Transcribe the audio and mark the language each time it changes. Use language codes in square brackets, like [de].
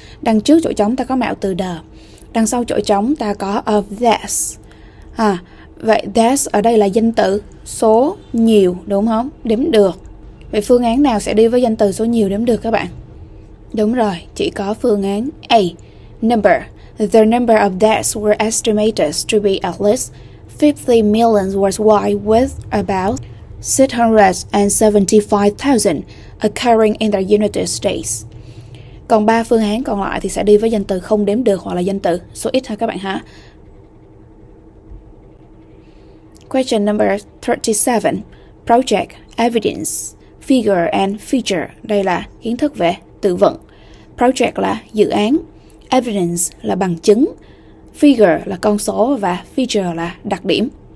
[vi] Đằng trước chỗ trống ta có mạo từ the. Đằng sau chỗ trống ta có of this. À, vậy this ở đây là danh từ số nhiều, đúng không? Đếm được. Vậy phương án nào sẽ đi với danh từ số nhiều đếm được các bạn? Đúng rồi, chỉ có phương án A. [en] Number. The number of deaths were estimated to be at least 50 million worldwide, with about 675,000 occurring in the United States. [vi] Còn ba phương án còn lại thì sẽ đi với danh từ không đếm được hoặc là danh từ số ít ha các bạn hả? [en] Question number 37. Project, evidence, figure and feature. [vi] Đây là kiến thức về từ vựng. Project là dự án, evidence là bằng chứng, figure là con số và feature là đặc điểm.